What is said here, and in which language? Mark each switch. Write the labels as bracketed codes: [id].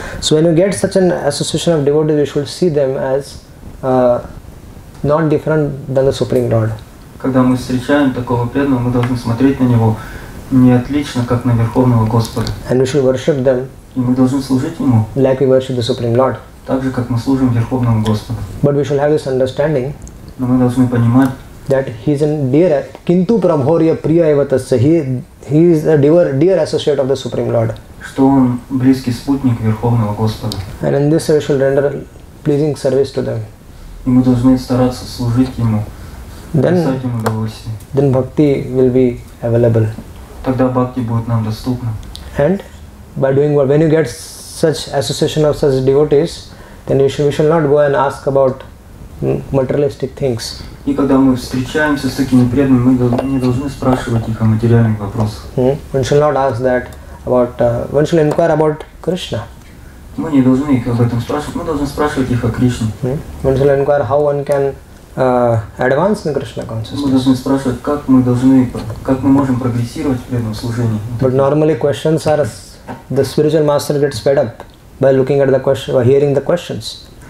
[en] So when you get such an association of devotees, you should see them as not different than the Supreme Lord. [ru] Когда мы встречаем такого преданного, мы должны смотреть на него не отлично, как на Верховного Господа. [en] And we should worship them. [ru] И мы должны служить ему. [en] Like we worship the Supreme Lord. [ru] Так же, как мы служим Верховному Господу. [en] But we should have this understanding. [ru] Но мы должны понимать. [en] That he is a dear, [sa] kintu prabhorya priya evatasya. [en] He is a dear associate of the Supreme Lord. [ru] Что он близкий спутник Верховного Господа. [en] And in this we should render pleasing service to them. [ru] И мы должны стараться служить ему. [en] Then bhakti will be available. [ru] Тогда бхакти будет нам доступна. [en] And by doing what, when you get such association of such devotees, then we shall not go and ask about materialistic things. [ru] И когда мы встречаемся с такими преданными, мы не должны спрашивать их о материальных вопросах. [en] Hmm. One should not ask that about. One should inquire about Krishna. [ru] Мы не должны их об этом спрашивать. Мы должны спрашивать их о Кришне. Hmm. [en] One should inquire how one can advance in Krishna consciousness. [ru] Мы должны спрашивать, как мы можем прогрессировать в преданном служении. [en] But normally questions are the spiritual master gets fed up by looking at the question or hearing the questions.